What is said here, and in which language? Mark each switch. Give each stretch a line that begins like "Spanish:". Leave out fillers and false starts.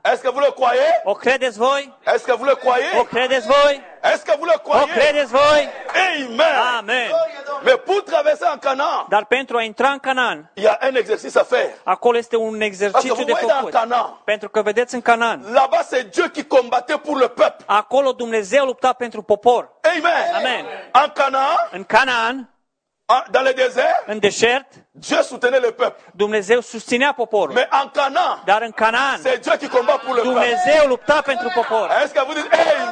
French: Est-ce que vous le croyez?
Romanian: O credeți voi?
French: Est-ce que vous le croyez?
Romanian: O credeți voi?
French: Est-ce que vous le croyez?
Romanian: O credeți voi? Amen. Amen.
French: Mais pour traverser en Canaan.
Romanian: Dar pentru a intra în Canaan.
French: Il y a un exercice à faire.
Romanian: Acolo este un exercițiu de făcut. Pentru că vedeți în Canaan.
French: Là-bas c'est Dieu qui combattait pour le peuple.
Romanian: Acolo Dumnezeu lupta pentru popor. Amen. Amen.
French: En Canaan?
Romanian: În Canaan.
French: Dans le désert,
Romanian: în deșert,
French: Dieu soutenait le peuple.
Romanian: Dumnezeu susținea poporul.
French: Mais en Canaan,
Romanian: dar în Canaan,
French: c'est Dieu qui combat pour le peuple.
Romanian: Dumnezeu lupta pentru popor.
French: Est-ce que vous dites amen?